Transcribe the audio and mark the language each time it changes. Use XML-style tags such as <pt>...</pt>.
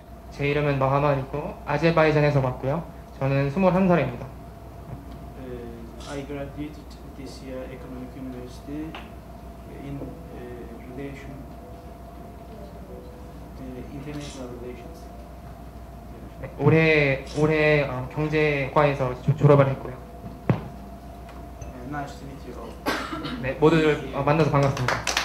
<ko>제 이름은 마하마니고 아제르바이잔에서 왔고요. 저는 21살입니다.</ko> <en>I graduated this year economic university in relation international relations.</en> <ko>올해 경제과에서 졸업을 했고요.</ko> <en>Nice to meet you all.</en> <ko>네, 모두들 만나서 반갑습니다.</ko>